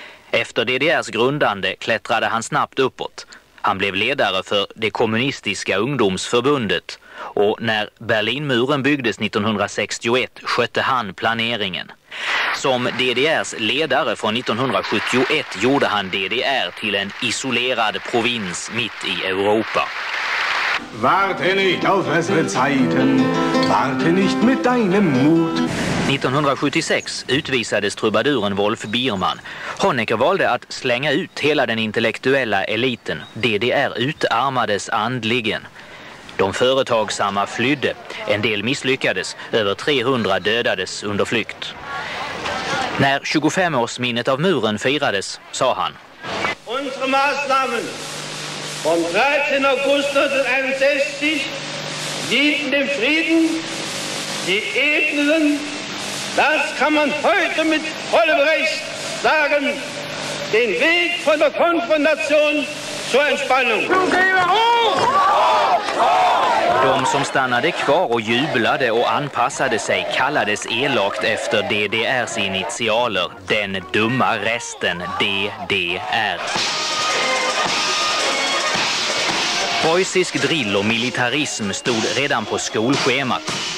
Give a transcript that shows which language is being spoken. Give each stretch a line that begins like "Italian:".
Swedish: Efter DDRs grundande klättrade han snabbt uppåt. Han blev ledare för det kommunistiska ungdomsförbundet. Och när Berlinmuren byggdes 1961 skötte han planeringen. Som DDRs ledare från 1971 gjorde han DDR till en isolerad provins mitt i Europa.
German: Warte nicht auf bessere Zeiten, warte nicht mit deinem Mut.
Swedish: 1976 utvisades trubaduren Wolf Biermann. Honecker valde att slänga ut hela den intellektuella eliten. DDR utarmades andligen. De företagsamma flydde. En del misslyckades. Över 300 dödades under flykt. När 25-årsminnet av muren firades sa han:
German: Unsere Maßnahmen vom 13. August 1961 dienten dem Frieden, die Ebenen, das kann man heute mit vollem Recht sagen, den Weg von der Konfrontation zur Entspannung.
Swedish: De som stannade kvar och jublade och anpassade sig kallades elakt efter DDRs initialer, den dumma resten, DDR. Preussisk drill och militarism stod redan på skolschemat.